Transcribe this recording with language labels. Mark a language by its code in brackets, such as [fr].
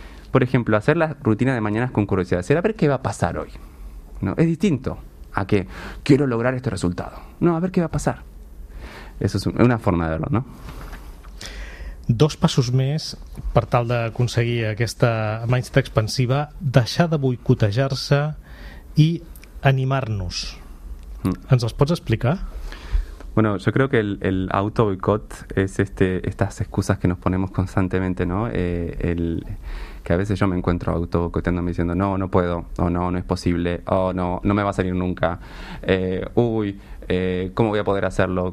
[es] Por ejemplo, hacer la rutina de mañanas con curiosidad. Será a ver qué va a pasar hoy, ¿no? Es distinto a que quiero lograr este resultado. No, a ver qué va a pasar. Eso es una forma de verlo, ¿no? [ca] Dos passos més per tal d'aconseguir aquesta mindset expansiva, deixar de boicotejar-se i animar-nos. Ens els pots explicar? [es] Bueno, yo creo que el autoboicot es estas excusas que nos ponemos constantemente, ¿no? Que a veces yo me encuentro autoboicoteándome diciendo no, no puedo, o no, no es posible, o no, no me va a salir nunca, ¿cómo voy a poder hacerlo?